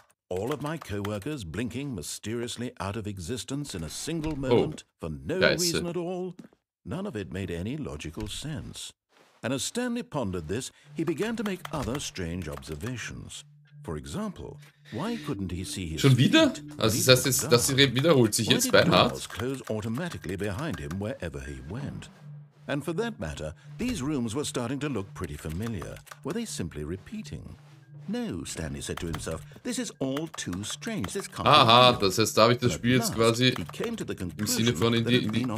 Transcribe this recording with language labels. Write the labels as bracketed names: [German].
[English] All of my co-workers blinking mysteriously out of existence in a single moment for no reason at all. None of it made any logical sense. And as Stanley pondered this, he began to make other strange observations. For example, why couldn't he see his [German] Schon wieder? Also das heißt, das wiederholt sich jetzt beinhart. [English] Close automatically behind him wherever he went. And for that matter, these rooms were starting to look pretty familiar. Were they simply repeating? No, Stanley said to himself, this is all too strange. This can't [German] Aha, das heißt, da habe ich das Spiel jetzt quasi im Sinne von in die